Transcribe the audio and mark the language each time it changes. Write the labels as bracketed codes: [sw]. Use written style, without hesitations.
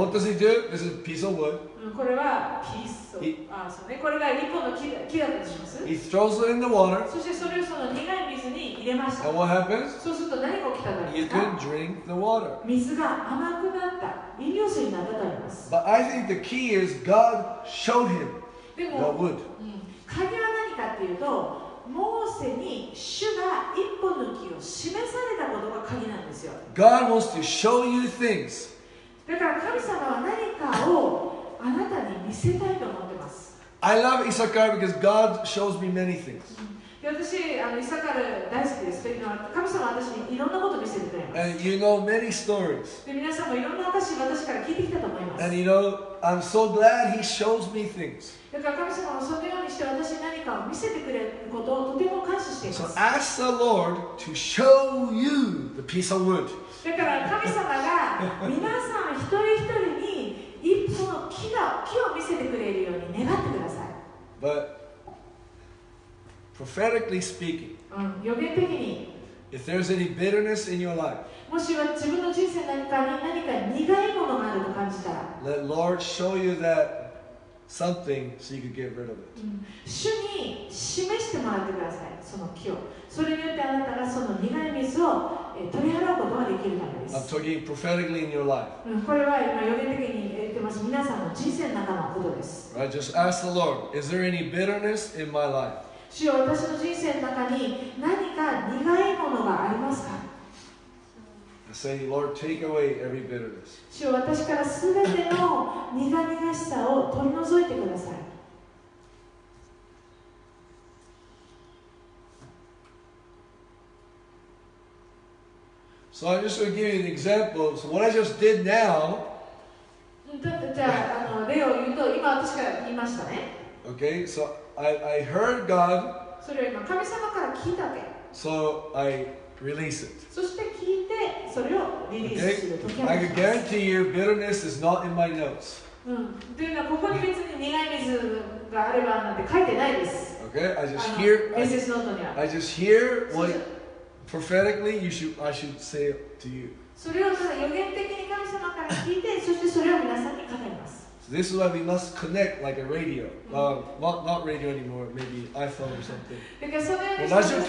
[en] What does he do? This is a piece of wood. [ja] これはピースを、あ、そうね、これが一本の木だとします。 [en] He throws it in the water. [ja] そしてそれをその苦い水に入れました。 [en] And what happens? [ja] そうすると何が起きたのですか? [en] You can drink the water. [ja] 水が甘くなった。飲料水になったとあります。 [en] But I think the key is God showed him the wood. [ja] 鍵は何かっていうと、モーセに主が一本の木を示されたことが鍵なんですよ。 [en] God wants to show you things. [ja] だから神様は何かをあなたに見せたいと思ってます。 [en] I love Issachar because God shows me many things. [ja] 私イサカル大好きです。というのは神様は私にいろんなことを見せてくれます。 [en] And you know many stories. [ja] で皆さんもいろんな私から聞いてきたと思います。 [en] And you know, I'm so glad He shows me things. [ja] だから神様はそのようにして私に何かを見せてくれることをとても感謝しています。 [en] So ask the Lord to show you the piece of wood. [ja] だから神様が皆さん一人一人に一本の木を見せてくれるように願ってください。 [en] But prophetically speaking, [ja] 予言的に、 [en] if there's any bitterness in your life, [ja] もし自分の人生の中に何か苦いものがあると感じたら、 [en] Let Lord show you that something so you could get rid of it. [ja] 主に示してもらってください、その木を。それによってあなたがその苦い水を取り払うことができるためです。 [en] I'm talking prophetically in your life. [ja] これは今予言的に言ってます。皆さんの人生の中のことです。 [en] Right, just ask the Lord, is there any bitterness in my life? [ja] 主よ、私の人生の中に何か苦いものがありますか？ [en] Say, Lord, take away every bitterness. [ja] 主よ、私からすべての苦々しさを取り除いてください。 [en] So I'm just going to give you an example. So what I just did now. Okay. So I heard God. [ja] それを今神様から聞いたわけ。 [en] So I release it. [ja] そして聞いてそれをリリースする時 [en] は。I can guarantee you, bitterness is not in my notes. [ja] というのはここに別に苦い水があればなんて書いてないです。 [en] Okay. I just hear. [ja] メッセージノートには。 [en] I just hear what. Prophetically, you should, I should say it to you. So this is why we must connect like a radio. Not radio anymore, maybe iPhone or something.